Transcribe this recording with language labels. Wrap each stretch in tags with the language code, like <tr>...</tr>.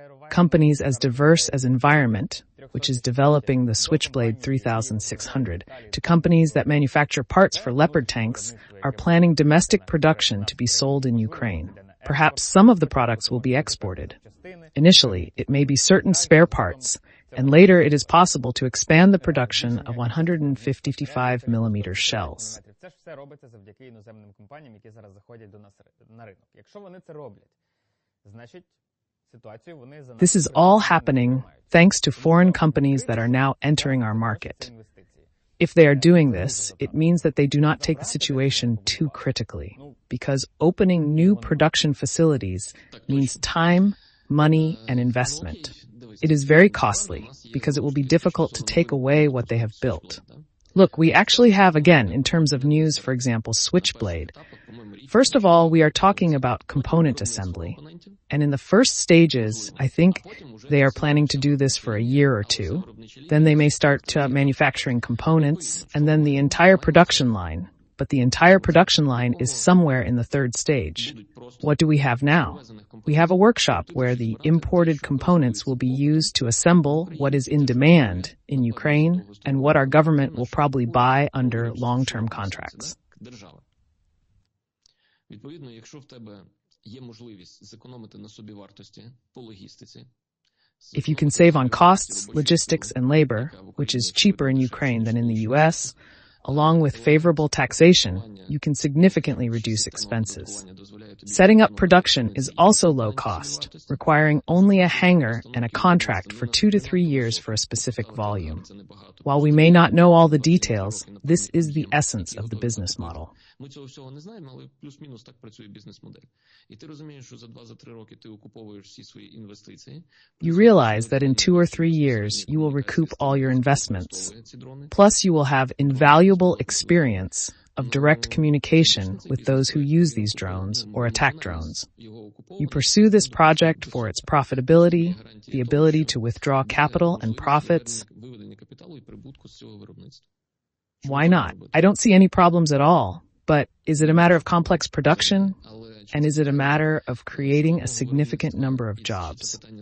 <en>Companies as diverse as Environment, which is developing the Switchblade 3600, to companies that manufacture parts for Leopard tanks, are planning domestic production to be sold in Ukraine. Perhaps some of the products will be exported. Initially, it may be certain spare parts, and later it is possible to expand the production of 155mm shells.</en> <uk>Це ж все робиться завдяки іноземним компаніям, які зараз заходять до нас на ринок. Якщо вони це роблять, значить ситуацію вони за нас.</uk> <en>This is all happening thanks to foreign companies that are now entering our market. If they are doing this, it means that they do not take the situation too critically, because opening new production facilities means time, money, and investment. It is very costly, because it will be difficult to take away what they have built. Look, we actually have, again, in terms of news, for example, Switchblade. First of all, we are talking about component assembly. And in the first stages, I think they are planning to do this for a year or two. Then they may start to manufacturing components, and then the entire production line. But the entire production line is somewhere in the third stage. What do we have now? We have a workshop where the imported components will be used to assemble what is in demand in Ukraine and what our government will probably buy under long-term contracts.</en> <uk>Відповідно, якщо в тебе є можливість зекономити на собівартості по логістиці.</uk> <en>If you can save on costs, logistics, and labor, which is cheaper in Ukraine than in the US, along with favorable taxation, you can significantly reduce expenses. Setting up production is also low cost, requiring only a hangar and a contract for 2 to 3 years for a specific volume. While we may not know all the details, this is the essence of the business model.</en> <uk>Ми цього всього не знаємо, але плюс-мінус так працює бізнес-модель. І ти розумієш, що за 2-3 роки ти окуповуєш всі свої інвестиції.</uk> <en>You realize that in 2 or 3 years you will recoup all your investments. Plus you will have invaluable experience of direct communication with those who use these drones or attack drones. You pursue this project for its profitability, the ability to withdraw capital and profits.</en> <uk>Виведення капіталу і прибутку з цього виробництва.</uk> <en>Why not? I don't see any problems at all. But is it a matter of complex production? And is it a matter of creating a significant number of jobs?</en>